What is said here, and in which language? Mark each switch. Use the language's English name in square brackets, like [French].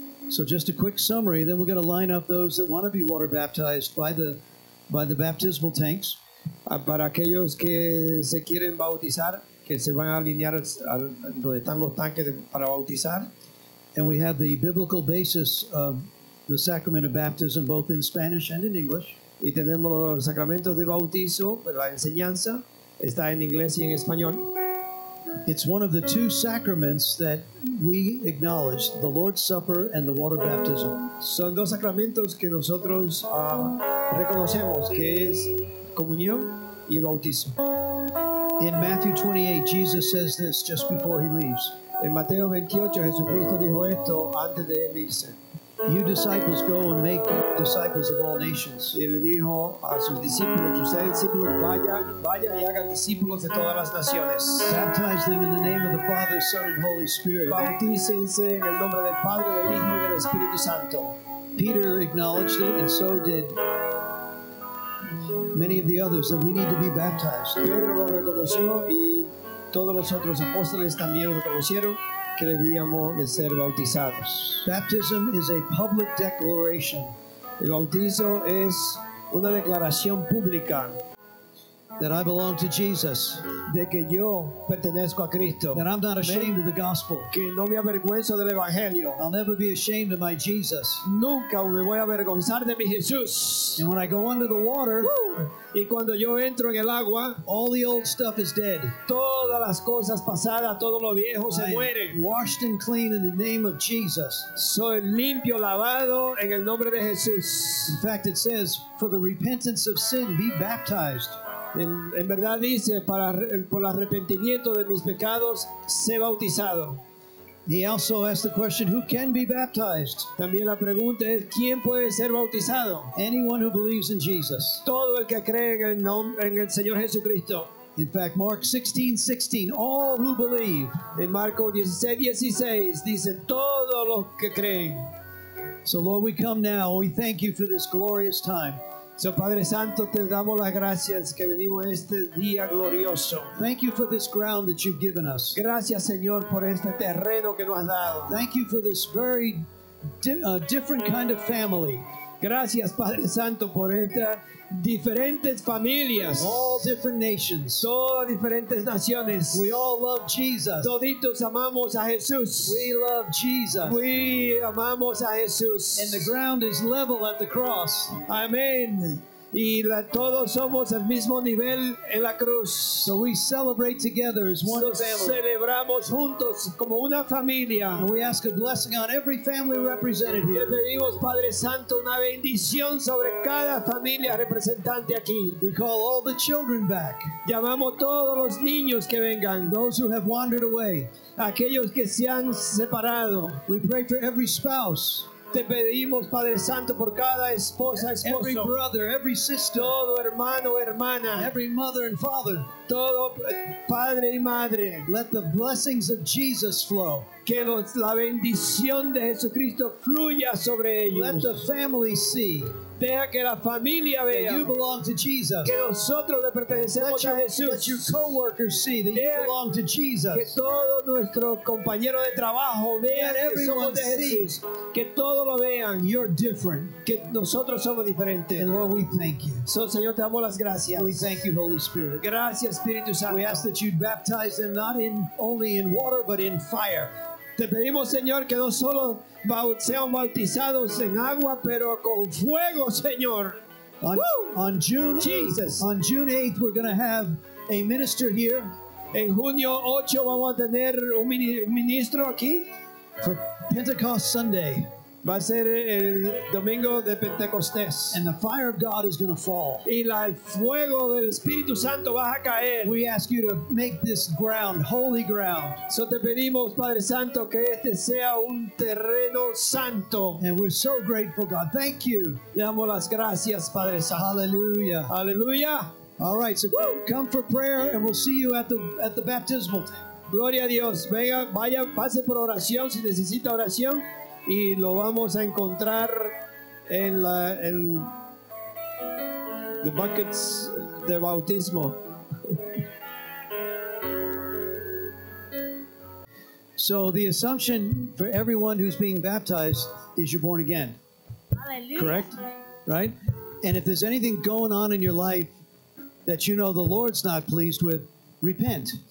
[English] So just a quick summary, then we're going to line up those that want to be water baptized by the baptismal tanks. [Spanish] Para aquellos que se quieren bautizar, que se van a alinear donde están los tanques para bautizar. [English] And we have the biblical basis of the sacrament of baptism, both in Spanish and in English. [Spanish] Y tenemos los sacramentos de bautizo, la enseñanza está en inglés y en español. [English] It's one of the two sacraments that we acknowledge, the Lord's Supper and the water baptism. [Spanish] Son dos sacramentos que nosotros reconocemos, que es comunión y el bautismo. [English] In Matthew 28, Jesus says this just before he leaves. [Spanish] En Mateo 28, Jesucristo dijo esto antes de irse. [English] You disciples go and make disciples of all nations. [Spanish] Y le dijo a sus discípulos, ustedes discípulos, vayan y hagan discípulos de todas las naciones. [English] Baptize them in the name of the Father, Son, and Holy Spirit. [Spanish] Bautícense en el nombre del Padre, del Hijo y del Espíritu Santo. [English] Peter acknowledged it, and so did many of the others, that we need to be baptized. [Spanish] Pedro lo reconoció y todos los otros apóstoles también reconocieron que debíamos de ser bautizados. [English] Baptism is a public declaration. [Spanish] El bautizo es una declaración pública. [English] That I belong to Jesus. [Spanish] De que yo pertenezco a Cristo. [English] That I'm not ashamed of the gospel. [Spanish] Que no me avergüenzo del evangelio. [English] I'll never be ashamed of my Jesus. [Spanish] Nunca me voy a avergonzar de mi Jesús. [English] And when I go under the water, woo! [Spanish] Y cuando yo entro en el agua, [English] all the old stuff is dead. [Spanish] Todas las cosas pasadas, todo lo viejo se muere. [English] Washed and clean in the name of Jesus. [Spanish] Soy limpio, lavado en el nombre de Jesús. [English] In fact, it says, for the repentance of sin, be baptized. [Spanish] En verdad dice, por el arrepentimiento de mis pecados, sé bautizado. [English] He also asked the question, who can be baptized? [Spanish] También la pregunta es, ¿quién puede ser bautizado? [English] Anyone who believes in Jesus. [Spanish] Todo el que cree en el Señor Jesucristo. [English] In fact, Mark 16:16, all who believe. [Spanish] En Marco 16:16, dice, todos los que creen. [English] So Lord, we come now, we thank you for this glorious time. [Spanish] So, Padre Santo, te damos las gracias que venimos este día glorioso. [English] Thank you for this ground that you've given us. [Spanish] Gracias, Señor, por este terreno que nos has dado. [English] Thank you for this very different kind of family. [Spanish] Gracias, Padre Santo, por esta diferentes familias. [English] All different nations. [Spanish] Todas diferentes naciones. [English] We all love Jesus. [Spanish] Toditos amamos a Jesús. [English] We love Jesus. We [Spanish] amamos a Jesús. [English] And the ground is level at the cross. Amen. [Spanish] Y la, todos somos al mismo nivel en la cruz. [English] So we celebrate together as one family. [Spanish] Celebramos juntos como una familia. [English] And we ask a blessing on every family represented here. [Spanish] Le pedimos, Padre Santo, una bendición sobre cada familia representante aquí. [English] We call all the children back. [Spanish] Llamamos todos los niños que vengan. [English] Those who have wandered away. [Spanish] Aquellos que se han separado. [English] We pray for every spouse. [Spanish] Te pedimos, Padre Santo, por cada esposa, esposo. [English] Every brother, every sister. [Spanish] Todo hermano, hermana. [English] Every mother and father. [Spanish] Todo padre y madre. [English] Let the blessings of Jesus flow. [Spanish] Que los, la bendición de Jesucristo fluya sobre ellos. [English] Let the family see. [Spanish] Deja que la familia vea. [English] That you belong to Jesus. [Spanish] Que nosotros le pertenecemos [English] let [Spanish] a Jesús. [English] Let your co-workers see that [Spanish] deja [English] you belong to Jesus. [Spanish] Que todo nuestro compañero de trabajo vea [English] let [Spanish] que somos de Jesús. Que todos lo vean. [English] You're different. [Spanish] Que nosotros somos diferentes. [English] And Lord, we thank you. [Spanish] So, Señor, te damos las gracias. [English] We thank you, Holy Spirit. [Spanish] Gracias, Espíritu Santo. [English] We ask that you'd baptize them not in only in water but in fire. [Spanish] Te pedimos, Señor, que no solo sean bautizados en agua, pero con fuego, Señor. [English] On June 8th, Jesus. On June 8th, we're going to have a minister here. [Spanish] En junio 8 vamos a tener un ministro aquí. [English] For Pentecost Sunday. [Spanish] Va a ser el domingo de Pentecostés. [English] And the fire of God is going to fall. [Spanish] Y la, el fuego del Espíritu Santo va a caer. [English] We ask you to make this ground holy ground. [Spanish] So te pedimos, Padre Santo, que este sea un terreno santo. [English] And we're so grateful, God. Thank you. [Spanish] Damos las gracias, Padre Santo. Hallelujah. Hallelujah. [English] All right, so woo! Come for prayer and we'll see you at the baptismal. [Spanish] Gloria a Dios. Venga, vaya, pase por oración si necesita oración. Y lo vamos a encontrar en la en [English] the buckets [Spanish] de bautismo. [English] So the assumption for everyone who's being baptized is you're born again. Hallelujah. Correct? Right? And if there's anything going on in your life that you know the Lord's not pleased with, repent.